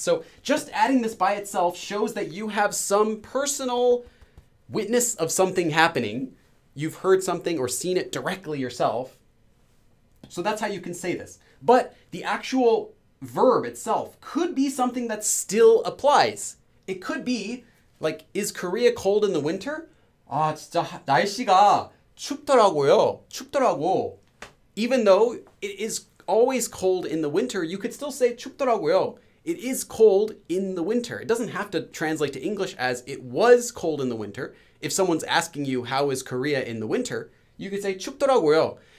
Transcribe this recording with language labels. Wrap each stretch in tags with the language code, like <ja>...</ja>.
<en>So just adding this by itself shows that you have some personal witness of something happening. You've heard something or seen it directly yourself. So that's how you can say this. But the actual verb itself could be something that still applies. It could be like, is Korea cold in the winter?</en> <ko>아, 진짜 날씨가 춥더라고요. 춥더라고.</ko> <en>Even though it is always cold in the winter, you could still say 춥더라고요. It is cold in the winter. It doesn't have to translate to English as it was cold in the winter. If someone's asking you how is Korea in the winter, you could say 춥더라고요.</en>